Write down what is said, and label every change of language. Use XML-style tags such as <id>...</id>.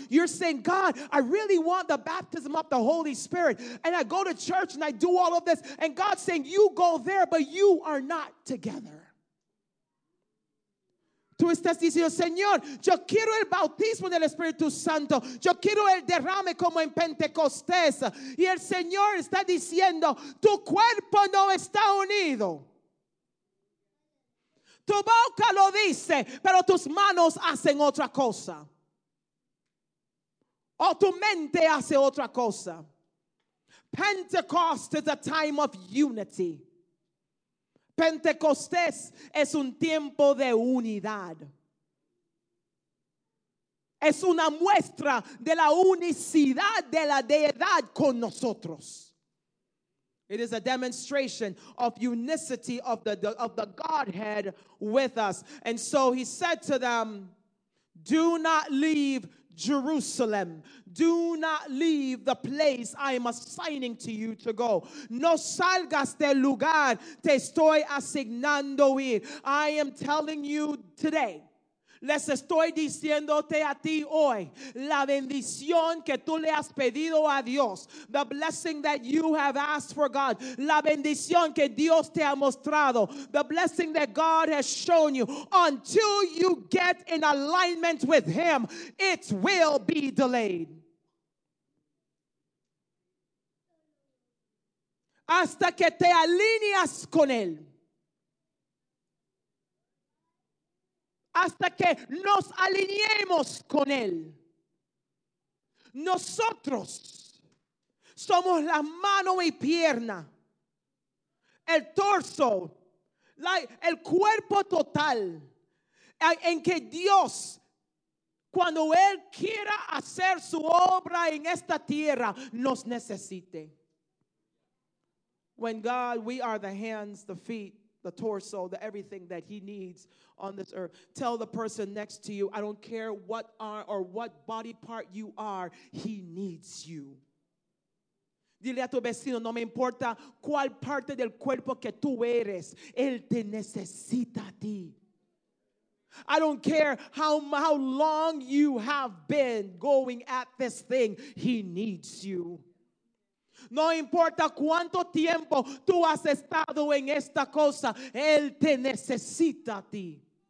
<en>You're saying, God, I really want the baptism of the Holy Spirit. And I go to church and I do all of this. And God's saying, you go there, but you are not together.</en> <es>Tú estás diciendo, Señor, yo quiero el bautismo del Espíritu Santo. Yo quiero el derrame como en Pentecostés. Y el Señor está diciendo, tu cuerpo no está unido. Tu boca lo dice, pero tus manos hacen otra cosa. O tu mente hace otra cosa.</es> <en>Pentecost is a time of unity.</en> <es>Pentecostés es un tiempo de unidad. Es una muestra de la unicidad de la deidad con nosotros.</es> <en>It is a demonstration of unicity of the Godhead with us. And so he said to them, do not leave Jerusalem. Do not leave the place I am assigning to you to go.</en> <es>No salgas del lugar te estoy asignando ir.</es> <en>I am telling you today.</en> <es>Les estoy diciéndote a ti hoy, la bendición que tú le has pedido a Dios,</es> <en>the blessing that you have asked for God,</en> <es>la bendición que Dios te ha mostrado,</es> <en>the blessing that God has shown you, until you get in alignment with Him, it will be delayed.</en> <es>Hasta que te alineas con Él. Hasta que nos alineemos con Él. Nosotros somos la mano y pierna, el torso, el cuerpo total, en que Dios, cuando Él quiera hacer su obra en esta tierra, nos necesite.</es> <en>When God, we are the hands, the feet, the torso, the everything that He needs on this earth. Tell the person next to you, I don't care what arm or what body part you are, He needs you.</en> <es>Dile a tu vecino, no me importa cuál parte del cuerpo que tú eres, Él te necesita a ti.</es> <en>I don't care how long you have been going at this thing, He needs you.</en> <es>No importa cuánto tiempo tú has estado en esta cosa, Él te necesita a ti.</es>